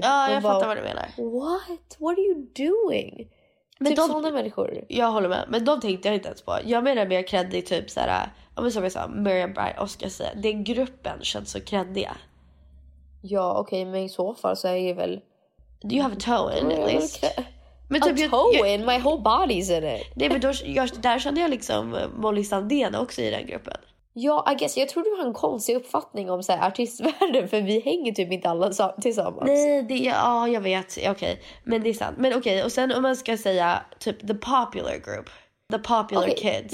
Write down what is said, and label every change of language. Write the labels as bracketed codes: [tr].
[sv] Ja, jag fattar vad du menar. [en] What? What are you doing? [sv] Men typ de, sådana människor. Jag håller med, men de tänkte jag inte ens på. Jag menar mer kreddig, typ såhär, som jag sa, Miriam Bryant, Oscar säger. Den gruppen känns så kreddiga. Ja, okej, okay, men i så fall så är jag väl... [en] Do you have a toe in at least? [sv] Men typ, [en] a toe in? My whole body's in it. [sv] Nej, men då, där kände jag liksom Molly Sandén också i den gruppen. [en] Ja, I guess. [sv] Jag tror du har en konstig uppfattning om så här, artistvärlden. För vi hänger typ inte alla tillsammans. Nej, det är, ja, jag vet. Okej, okay. Men det är sant. Men okej, okay. Och sen om man ska säga typ [en] the popular group. The popular kids.